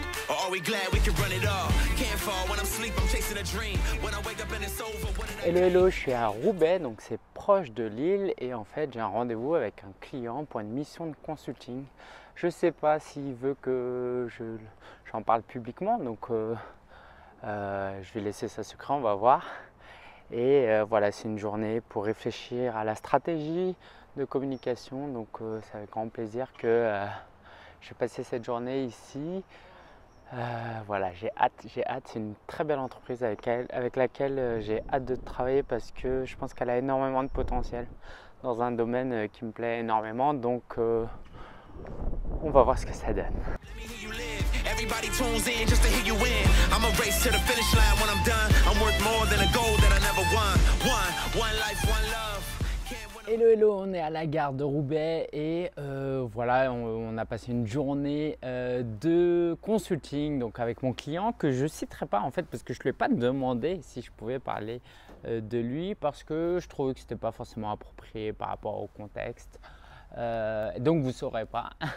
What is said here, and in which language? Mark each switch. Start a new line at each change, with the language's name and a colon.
English: Or are we glad we can run it all? Can't fall when I'm sleep, I'm chasing a dream. When I wake up and it's over, what did I do?
French: Hello, hello, je suis à Roubaix, donc c'est proche de Lille. Et en fait, j'ai un rendez-vous avec un client pour une mission de consulting. Je ne sais pas s'il veut que j'en parle publiquement, donc je vais laisser ça secret, on va voir. Et voilà, c'est une journée pour réfléchir à la stratégie de communication. Donc c'est avec grand plaisir que je vais passer cette journée ici. Voilà, j'ai hâte. C'est une très belle entreprise avec laquelle j'ai hâte de travailler parce que je pense qu'elle a énormément de potentiel dans un domaine qui me plaît énormément. Donc on va voir ce que ça donne.
English: Everybody tunes in just to hear you win. I'ma race to the finish line when I'm done. I'm worth more than a goal that I never won. One life, one love.
French: Hello, hello, on est à la gare de Roubaix et voilà, on a passé une journée de consulting donc avec mon client que je ne citerai pas en fait parce que je ne lui ai pas demandé si je pouvais parler de lui parce que je trouvais que ce n'était pas forcément approprié par rapport au contexte. Donc, vous ne saurez pas.